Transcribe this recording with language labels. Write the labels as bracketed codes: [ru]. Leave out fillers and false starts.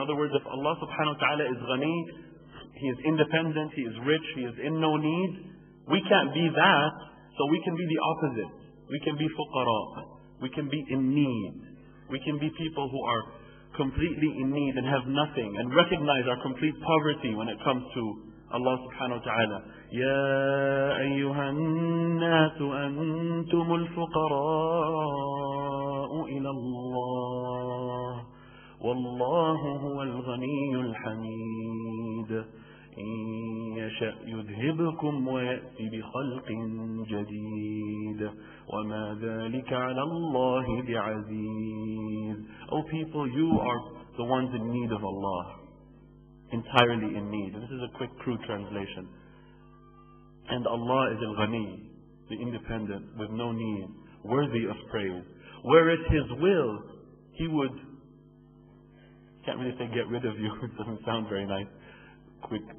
[en] In other words, if Allah subhanahu wa ta'ala is ghani, He is independent, He is rich, He is in no need, we can't be that, so we can be the opposite. We can be fuqara, we can be in need, we can be people who are completely in need and have nothing, and recognize our complete poverty when it comes to Allah subhanahu wa ta'ala. [ar] يا أيها الناس أنتم الفقراء إلى الله والله هو الغني الحميد إن يشأ يذهبكم ويأتي بخلق جديد وما ذلك على الله بعزيز. [en] Oh people, you are the ones in need of Allah, entirely in need. This is a quick crude translation. And Allah is al-ghani, the independent, with no need, worthy of praise. Were it His will, He would, can't really say get rid of you, it doesn't sound very nice, quick.